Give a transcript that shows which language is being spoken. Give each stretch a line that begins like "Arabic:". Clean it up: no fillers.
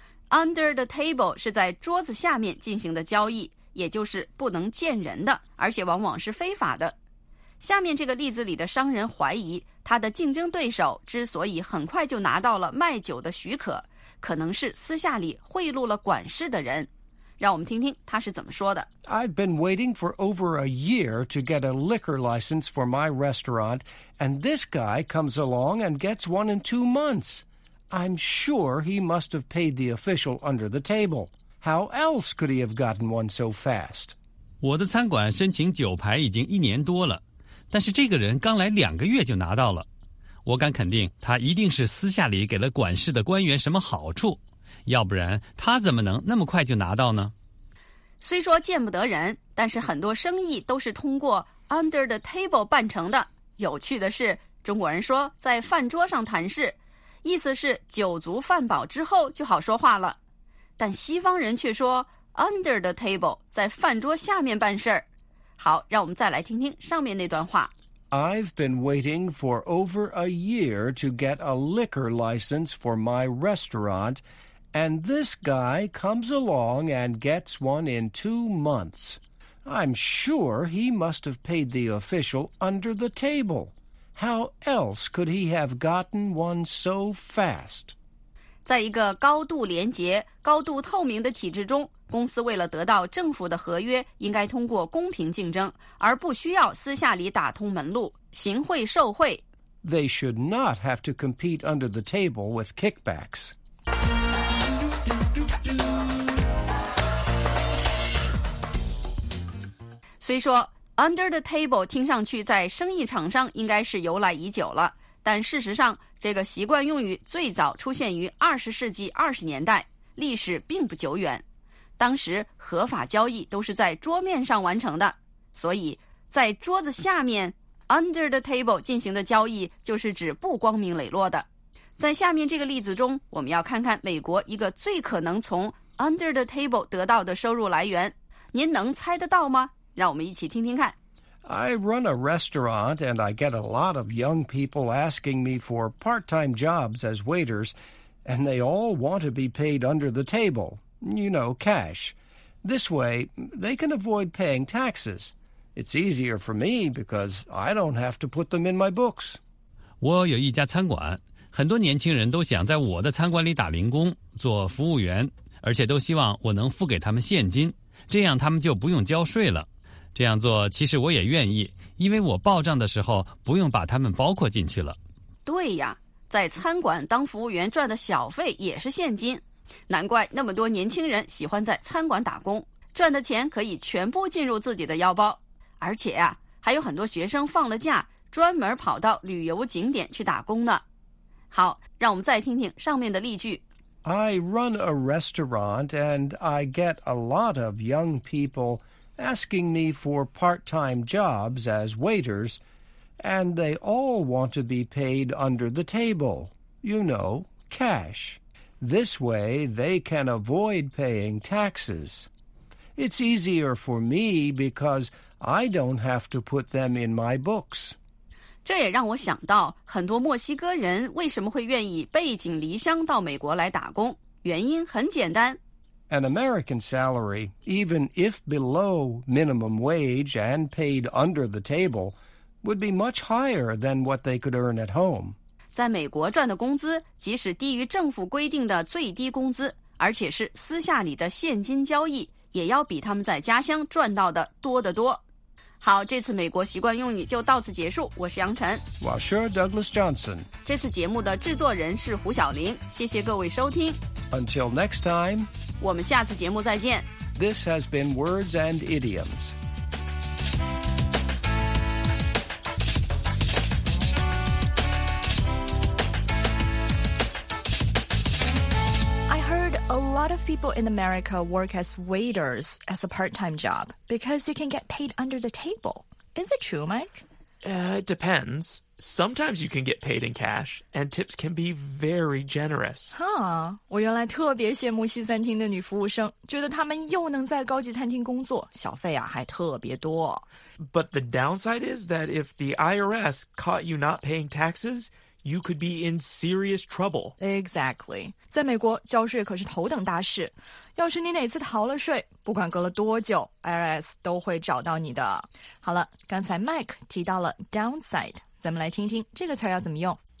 Chinese: Under the table 是在桌子下面进行的交易，也就是不能见人的，而且往往是非法的。下面这个例子里的商人怀疑他的竞争对手之所以很快就拿到了卖酒的许可，可能是私下里贿赂了管事的人。让我们听听他是怎么说的。
English: I've been waiting for over a year to get a liquor license for my restaurant, and this guy comes along and gets one in 2 months. I'm sure he must have paid the official under the table. How else could he have gotten one so fast?
Chinese: 我的餐馆申请酒牌已经一年多了，但是这个人刚来两个月就拿到了，我敢肯定他一定是私下里给了管事的官员什么好处，要不然他怎么能那么快就拿到呢？虽说见不得人，但是很多生意都是通过 under the table 办成的。有趣的是，中国人说在饭桌上谈事，意思是酒足饭饱之后就好说话了。但西方人却说 under the table， 在饭桌下面办事儿。好，让我们再来听听上面那段话。
English: I've been waiting for over a year to get a liquor license for my restaurant, and this guy comes along and gets one in 2 months. I'm sure he must have paid the official under the table. How else could he have gotten one so fast?
Chinese: 在一个高度廉洁、高度透明的体制中，公司为了得到政府的合约，应该通过公平竞争，而不需要私下里打通门路，行贿受贿。
English: They should not have to compete under the table with kickbacks.
Chinese: 虽说 under the table 听上去在生意场上应该是由来已久了，但事实上这个习惯用语最早出现于20世纪20年代，历史并不久远。当时合法交易都是在桌面上完成的，所以在桌子下面 under the table 进行的交易就是指不光明磊落的。在下面这个例子中，我们要看看美国一个最可能从 under the table 得到的收入来源，您能猜得到吗？让我们一起听听看。
English: I run a restaurant and I get a lot of young people asking me for part-time jobs as waiters, and they all want to be paid under the table, you know, cash. This way, they can avoid paying taxes. It's easier for me because I don't have to put them in my books.
Chinese: 我有一家餐馆，很多年轻人都想在我的餐馆里打零工，做服务员，而且都希望我能付给他们现金，这样他们就不用交税了。这样做其实我也愿意，因为我报账的时候不用把他们包括进去了。对呀，在餐馆当服务员赚的小费也是现金，难怪那么多年轻人喜欢在餐馆打工，赚的钱可以全部进入自己的腰包。而且呀，还有很多学生放了假专门跑到旅游景点去打工呢。好，让我们再听听上面的例句。 I run a restaurant and I get a lot of young people asking me for part-time jobs as waiters, and they all want to be paid under the table, you know, cash. This way, they can avoid paying taxes. It's easier for me because I don't have to put them in my books. 这也让我想到很多墨西哥人为什么会愿意背井离乡到美国来打工，原因很简单。
English: An American salary, even if below minimum wage and paid under the table, would be much higher than what they could earn at home.
Chinese: 在美国赚的工资，即使低于政府规定的最低工资，而且是私下里的现金交易，也要比他们在家乡赚到的多得多。好，这次美国习惯用语就到此结束。我是杨晨。
English: Washer Douglas Johnson。
Chinese: 这次节目的制作人是胡晓玲。谢谢各位收听。
English: Until next time。
Chinese: 我们下次节目再见。
English: This has been Words and Idioms. I heard a lot of people in America work as waiters as a part-time job because you can get paid under the table. Is it true, Mike? It depends. Sometimes you can get paid in cash, and tips can be very generous.
Chinese: Huh, 我原来特别羡慕西餐厅的女服务生，觉得她们又能在高级餐厅工作，小费啊还特别多。
English: But the downside is that if the IRS caught you not paying taxes, you could be in serious trouble. Exactly.
Chinese: 在美国交税可是头等大事，要是你哪次逃了税，不管隔了多久 ,IRS 都会找到你的。好了，刚才 Mike 提到了 downside。咱们来听听这个词要怎么用。